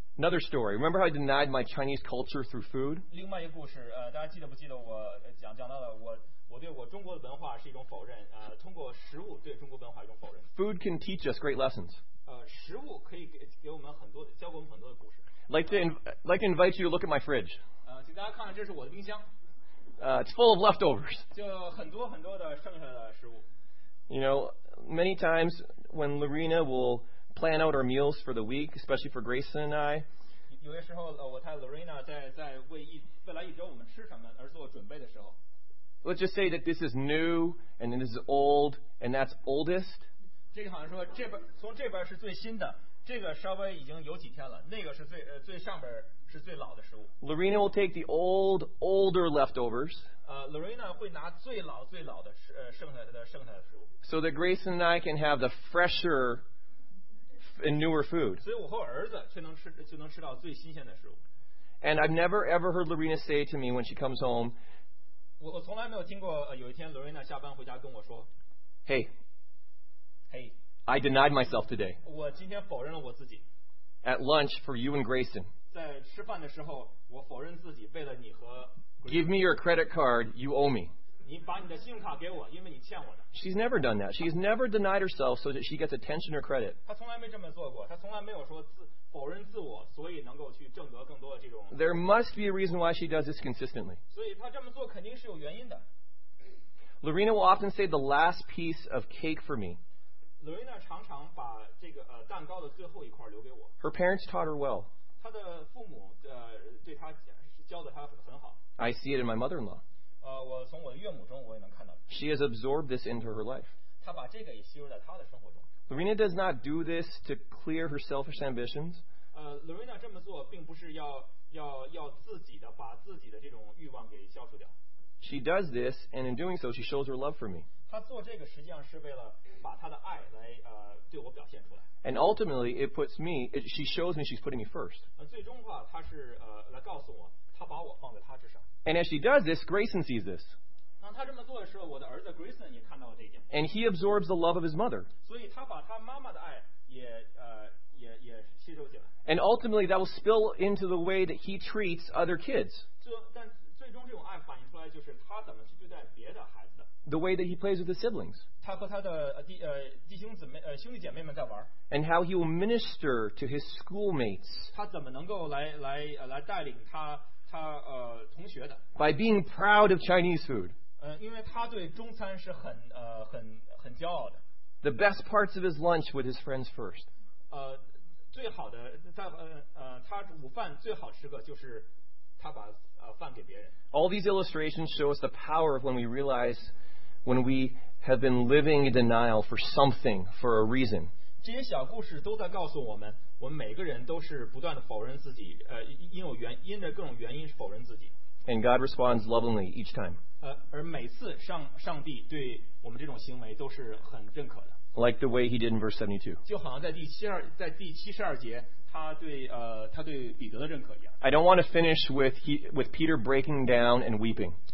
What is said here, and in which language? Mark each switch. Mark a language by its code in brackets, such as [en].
[en] Another story. Remember how I denied my Chinese culture through food? [zh] 另外一个故事，大家记得不记得我讲到了我对我中国的文化是一种否认，通过食物对中国文化一种否认。 [en] Food can teach us great lessons. [zh] 食物可以给我们很多教给我们很多的故事。 [en] Like to invite you to look at my fridge. [zh] 请大家看看这是我的冰箱。 [en] It's full of leftovers. [zh] 就很多很多的剩下的食物。 [en] You know, many times when Lorena will plan out our meals for the week, especially for Grayson and I. [zh] 有些时候，我太太 Lorena 在为未来一周我们吃什么而做准备的时候。 [en] Let's just say that this is new and this is old and that's oldest. [zh] 这个好像说这边从这边是最新的，这个稍微已经有几天了，那个是最上边是最老的食物。 [en] Lorena will take the older leftovers. [zh] Lorena 会拿最老的剩下的食物。 [en] So that Grayson and I can have the fresher and newer food. [zh] 所以我和我儿子就能吃到最新鲜的食物。 [en] And I've never ever heard Lorena say to me when she comes home. [zh] 我从来没有听过有一天 Lorena 下班回家跟我说。 [en] Hey. Hey. I denied myself today. [zh] 我今天否认了我自己。 [en] At lunch for you and Grayson. [zh] 在吃饭的时候，我否认自己为了你和。 [en] Give me your credit card. You owe me. [zh] 你把你的信用卡给我，因为你欠我的。 [en] She's never done that. She's never denied herself so that she gets attention or credit. [zh] 她从来没这么做过，她从来没有说否认自我，所以能够去挣得更多的这种。 [en] There must be a reason why she does this consistently. [zh] 所以她这么做肯定是有原因的。 [en] Lorena will often say the last piece of cake for me. [zh] Lorena 常常把这个蛋糕的最后一块留给我。 [en] Her parents taught her well. [zh] 她的父母对她教的她很好。 [en] I see it in my mother-in-law. [zh] 我从我的岳母中我也能看到。 [en] She has absorbed this into her life. [zh] 她把这个也吸入在她的生活中。 [en] Lorena does not do this to clear her selfish ambitions. [zh] Lorena 这么做并不是要自己的把自己的这种欲望给消除掉。 [en] She does this, and in doing so, she shows her love for me. [zh] 她做这个实际上是为了把她的爱来对我表现出来。 [en] And ultimately, it puts me. She shows me she's putting me first. [zh] 最终的话，她是来告诉我，她把我放在她之上。 [en] And as she does this, Grayson sees this. [zh] 当他这么做的时候，我的儿子 Grayson 也看到了这一点。 [en] And he absorbs the love of his mother. [zh] 所以他把他妈妈的爱也吸收进来。 [en] And ultimately, that will spill into the way that he treats other kids. [zh] 但最终这种爱反映出来就是他怎么去对待别的孩子的。 [en] The way that he plays with his siblings. [zh] 他和他的兄弟姐妹们在玩。 [en] And how he will minister to his schoolmates. [zh] 他怎么能够来带领他。同学的。 [en] By being proud of Chinese food. [zh] 因为他对中餐是很骄傲的。 [en] The best parts of his lunch with his friends first. [zh] 最好的他午饭最好吃的就是他把饭给别人。 [en] All these illustrations show us the power of when we realize when we have been living in denial for something, for a reason. [zh] 这些小故事都在告诉我们。我们每个人都是不断的否认自己，因着各种原因是否认自己。 [en] And God responds lovingly each time. [zh] 而每次上帝对我们这种行为都是很认可的。 [en] Like the way He did in verse 72. [zh] 就好像在第七十二节，他对彼得的认可一样。 [en] I don't want to finish with Peter breaking down and weeping.